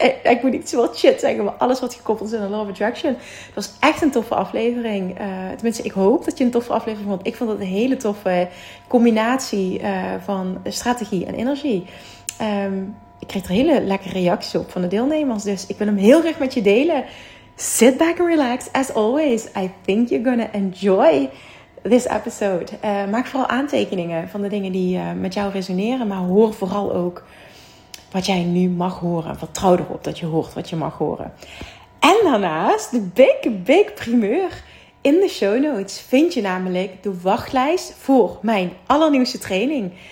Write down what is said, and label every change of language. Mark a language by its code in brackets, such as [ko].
[nl] Ik moet niet zoveel shit zeggen, maar alles wat gekoppeld is aan Law of Attraction. Het was echt een toffe aflevering. Tenminste, ik hoop dat je een toffe aflevering vond. Ik vond het een hele toffe combinatie van strategie en energie. Ik kreeg er hele lekkere reacties op van de deelnemers. Dus ik wil hem heel graag met je delen. [en] Sit back and relax. As always, I think you're gonna enjoy this episode. [nl] Maak vooral aantekeningen van de dingen die met jou resoneren. Maar hoor vooral ook wat jij nu mag horen. Vertrouw erop dat je hoort wat je mag horen. En daarnaast, de big, big primeur. In de show notes vind je namelijk de wachtlijst voor mijn allernieuwste training.